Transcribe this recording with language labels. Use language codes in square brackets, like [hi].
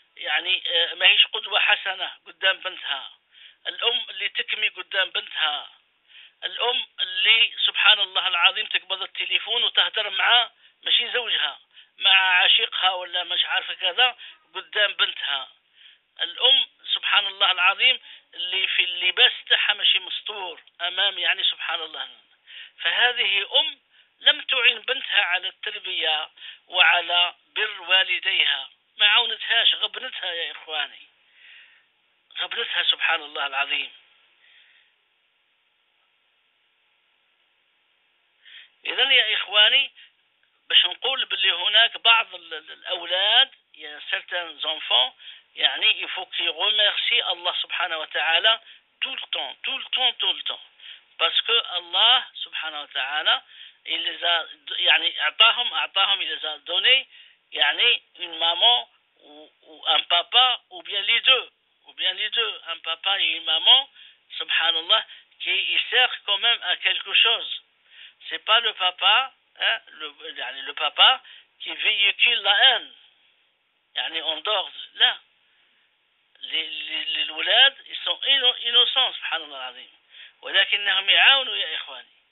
[ar] يعني ما هيش قدوة حسنة قدام بنتها، الأم اللي تكمي قدام بنتها، الأم اللي سبحان الله العظيم تقبض التليفون وتهدر مع ماشي زوجها، مع عشيقها ولا مش عارفة كذا قدام بنتها، الأم سبحان الله العظيم اللي في اللباس تاعها ماشي مستور أمام يعني سبحان الله. فهذه أم لم تعين بنتها على التربية وعلى بر والديها، ما عونتهاش، غبنتها يا إخواني، غبنتها سبحان الله العظيم. إذا يا إخواني باش نقول باللي هناك بعض الأولاد [fr] certains enfants يعني il faut qu'ils remercient Allah subhanahu wa ta'ala tout le temps parce que Allah subhanahu wa ta'ala il les a [ar] يعني أعطاهم [fr] il les a donné يعني une maman ou un papa ou bien les deux un papa et une maman subhanallah qui ils servent quand même à quelque chose. C'est pas le papa le papa qui véhicule la haine يعني en dehors là. Les [ar] ولاد [fr] ils sont innocents [ar] سبحان الله العظيم ولكنهم يعاونوا يا إخواني.